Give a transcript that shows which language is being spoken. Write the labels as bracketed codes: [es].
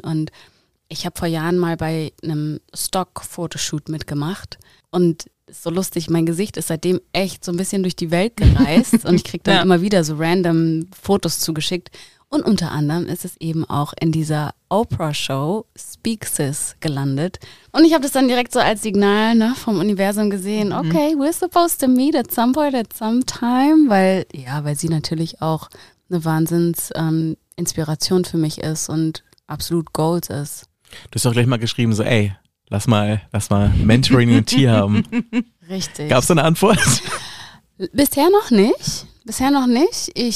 [de] Und ich habe vor Jahren mal bei einem Stock-Fotoshoot mitgemacht und so lustig, mein Gesicht ist seitdem echt so ein bisschen durch die Welt gereist und ich kriege dann immer wieder so random Fotos zugeschickt. Und unter anderem ist es eben auch in dieser Oprah-Show Speak Sis gelandet. Und ich habe das dann direkt so als Signal, ne, vom Universum gesehen. [en] Okay, we're supposed to meet at some point, at some time. [de] Weil, ja, weil sie natürlich auch eine Wahnsinns-Inspiration für mich ist und absolut Gold ist. Du hast doch gleich mal geschrieben, so ey, lass mal Mentoring in Tee haben. Richtig. Gab's da eine Antwort? Bisher noch nicht.